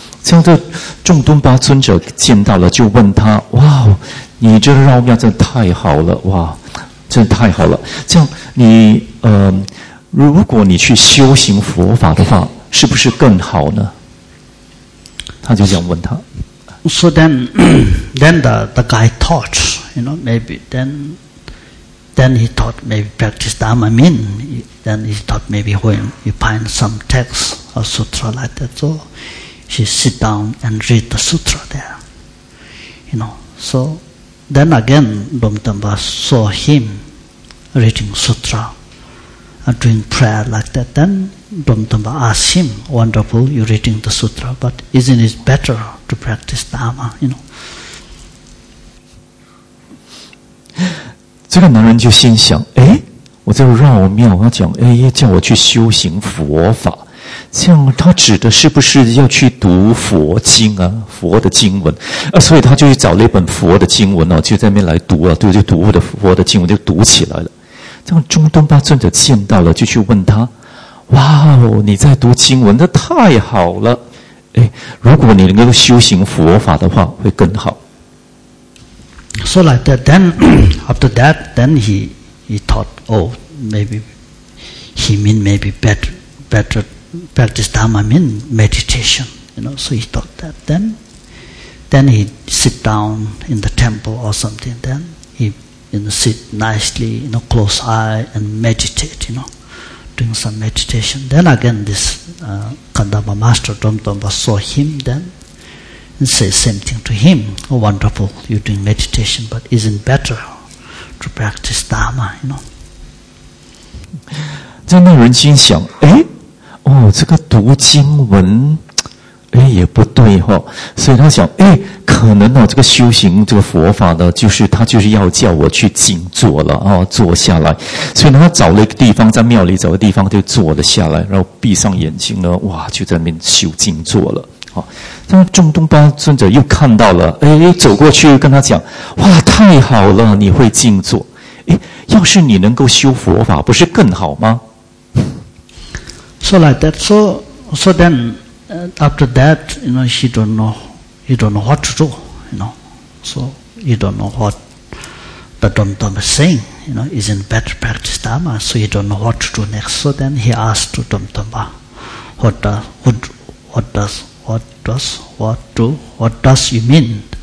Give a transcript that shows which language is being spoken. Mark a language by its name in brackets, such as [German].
[Chinese] 这样，这仲敦巴尊者见到了，就问他：“哇，你这绕庙真的太好了，哇，真的太好了。这样，你如果你去修行佛法的话，是不是更好呢？” 他就这样问他。 [English] So then the guy taught, you know, maybe then he taught maybe practice Dharma mean, then he taught maybe when you find some text or sutra like that, so he sit down and read the sutra there, you know. So then again, Bhumitamba saw him reading sutra and doing prayer like that. Then Bhumitamba asked him, wonderful, you're reading the sutra, but isn't it better to practice Dharma, you know? [Chinese] 这个男人就心想，诶，我在绕庙，他讲，诶，叫我去修行佛法，这样他指的是不是要去读佛经啊，佛的经文啊，所以他就去找了一本佛的经文啊，就在那边来读啊，对，就读佛的经文，就读起来了。这样中东巴尊者见到了，就去问他，哇哦，你在读经文，这太好了，诶，如果你能够修行佛法的话会更好。 [English] So like that, then after that, then he thought, oh, maybe he mean maybe better practice Dharma mean meditation, you know. So he thought that. Then he sit down in the temple or something. Then he, you know, sit nicely, you know, close eye and meditate, you know, doing some meditation. Then again, this Kandamba master Dhamdamba saw him then. And say same thing to him. Oh, wonderful, you're doing meditation, but isn't better to practice Dharma, you know? [Chinese] 这样那人心想，诶，哦，这个读经文，诶，也不对哦。所以他想，诶，可能哦，这个修行这个佛法呢，就是他就是要叫我去静坐了，坐下来。所以他找了一个地方，在庙里找个地方就坐了下来，然后闭上眼睛呢，哇，就在那边修静坐了。好，那仲敦巴尊者又看到了，哎，走过去跟他讲，哇，太好了，你会静坐，哎，要是你能够修佛法，不是更好吗 [English] ？So like that, so then, after that, you know, he don't know what to do, you know, so he don't know what the Dhamma is saying, you know, isn't better practice Dharma, so he don't know what to do next. So then he asked to Dhamma, what does you mean?